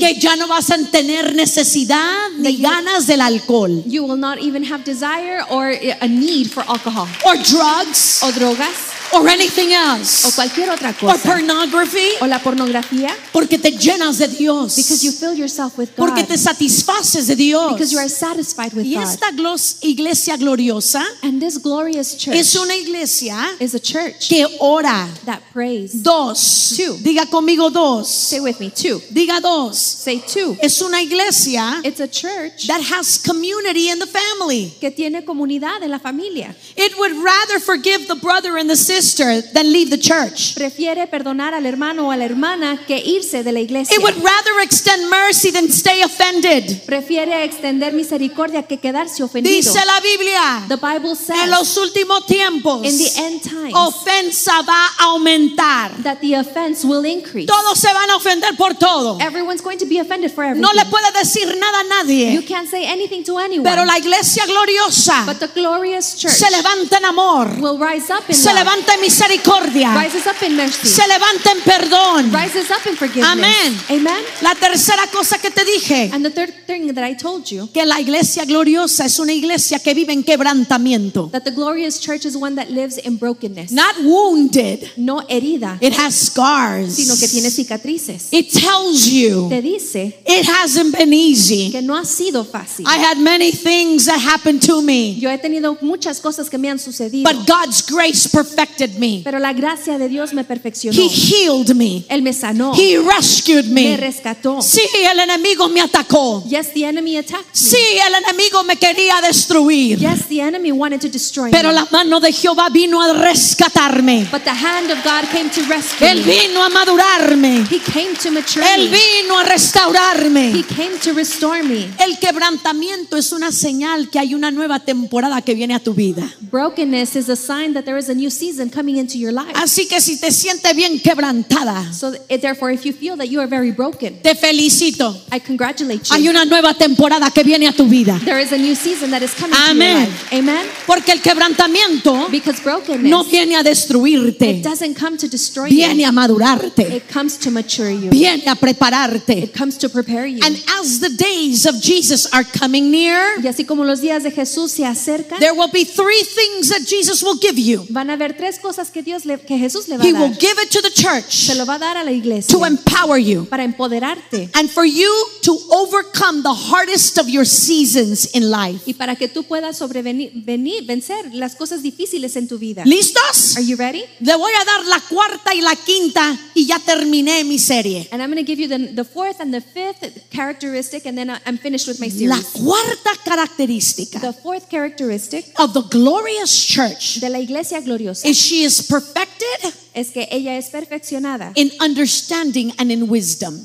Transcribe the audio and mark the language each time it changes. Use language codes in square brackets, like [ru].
[es] que ya no vas a tener necesidad ni ganas del alcohol. [en] You will not even have desire or a need for alcohol, or drugs, [es] o drogas, [en] or anything else, [es] o cualquier otra cosa, [en] or pornography, [es] o la pornografía, porque te llenas de Dios, [en] because you fill yourself with God, [es] porque te satisfaces de Dios, [en] because you are satisfied with [es] y esta [en] God. [es] Iglesia gloriosa, [en] and this glorious church, [es] es una iglesia, [en] is a church [es] que ora, [en] that prays. [es] Dos, [en] two, [es] diga conmigo dos, [en] say with me two, [es] diga dos, [en] say two, [es] es una iglesia, [en] it's a church that has community in the family, [es] que tiene comunidad en la familia. [en] It would rather forgive the brother and the sister than leave the church. [es] Prefiere perdonar al hermano o a la hermana que irse de la iglesia. [en] It would rather extend mercy than stay offended. [es] Prefiere extender misericordia que quedarse ofendido. Dice la Biblia, [en] the Bible says, [es] en los últimos tiempos, [en] in the end times, [es] ofensa va a aumentar. [en] That the offense will increase. [es] Todos se van a ofender por todo. [en] Everyone's going to be offended for everything. [es] No le puede decir nada a nadie. [en] You can't say anything to anyone. [es] Pero la iglesia gloriosa, [en] but the glorious church, [es] se levanta en amor. [en] Will rise up in [es] se levanta en misericordia. [en] Rises up in mercy. [es] Se levanta en perdón. [en] Rises up in forgiveness. [es] Amén. [en] Amen. [es] La tercera cosa que te dije. [en] And the third thing that I told you. [es] Que la iglesia gloriosa es una iglesia que vive en quebrantamiento. [en] That the glorious church is one that lives in brokenness. Not wounded. [es] No herida. [en] It has scars. [es] Sino que tiene cicatrices. [en] It tells you. [es] Te dice. [en] It hasn't been easy. [es] Que no ha sido fácil. [en] I had many things that happened to me. [es] Yo he tenido muchas cosas que me han sucedido. [en] But God's grace perfected me. [es] Pero la gracia de Dios me perfeccionó. [en] He healed me. [es] Él me sanó. [en] He rescued me. [es] Me rescató. Sí, el enemigo me atacó. [en] Yes, the enemy attacked me. [es] Sí, el enemigo me quería destruir. [en] Yes, the enemy wanted to destroy [es] me. Pero la mano de Jehová vino a rescatarme. [en] But the hand of God came to rescue [es] él [en] me. [es] Él vino a madurarme. [en] He came to mature [es] él vino a restaurarme. [en] He came to restore me. [es] El quebrantamiento es una señal que hay una nueva temporada que viene a tu vida. [en] Brokenness is a sign that there is a new season coming into your life. [es] Así que si te sientes bien quebrantada, [en] so therefore if you feel that you are very broken, [es] te felicito. [en] I congratulate you. [es] Hay una nueva temporada que viene a tu vida. [en] There is a new season that is coming Amen. To your life. Amen. [es] Porque el quebrantamiento, [en] because brokenness, [es] no viene a destruirte. [en] It doesn't come to destroy [es] viene [en] you. [es] A madurarte. [en] It comes to mature you. [es] Viene a prepararte. [en] It comes to prepare you. And as the days of Jesus are coming near, [es] y así como los días de Jesús se acercan, [en] there will be three things that Jesus will give you. [es] Van a haber tres cosas que Dios le, que Jesús le va a [en] he [es] dar. [en] Will give it to the church. [es] Se lo va a dar a la iglesia. [en] To empower you. [es] Para empoderarte. [en] And for you to overcome the hardest of your seasons in life. [es] Y para que tú puedas sobrevenir, vencer las cosas difíciles en tu vida. ¿Listos? [en] Are you ready? [es] Le voy a dar la cuarta y la quinta y ya terminé mi serie. [en] And I'm going to give you the fourth and the fifth characteristic and then I'm finished with my series. [es] La cuarta característica. [en] The fourth characteristic of the glorious church. [es] De la iglesia gloriosa. [en] Is she is perfected? [es] Es que ella es perfeccionada. [en] In understanding and in wisdom.